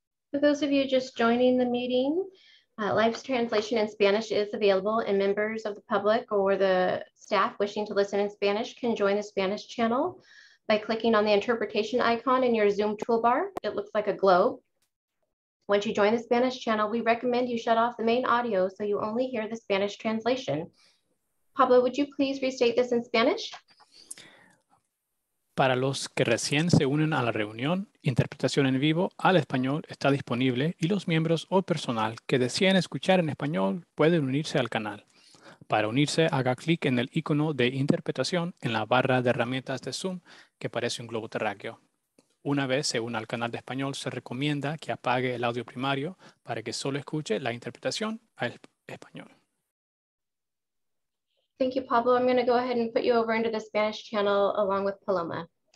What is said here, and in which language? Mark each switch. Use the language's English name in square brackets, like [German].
[English] For those of you just joining the meeting, live translation in Spanish is available, and members of the public or the staff wishing to listen in Spanish can join the Spanish channel by clicking on the interpretation icon in your Zoom toolbar. It looks like a globe. Once you join the Spanish channel, we recommend you shut off the main audio so you only hear the Spanish translation. Pablo, would you please restate this in Spanish? [Spanish] Para los que recién se unen a la reunión, interpretación en vivo al español está disponible y los miembros o personal que deseen escuchar en español pueden unirse al canal. Para unirse, haga clic en el icono de interpretación en la barra de herramientas de Zoom que parece un globo terráqueo. Una vez se una al canal de español, se recomienda que apague el audio primario para que solo escuche la interpretación al español. [English] Thank you, Pablo. I'm going to go ahead and put you over into the Spanish channel along with Paloma.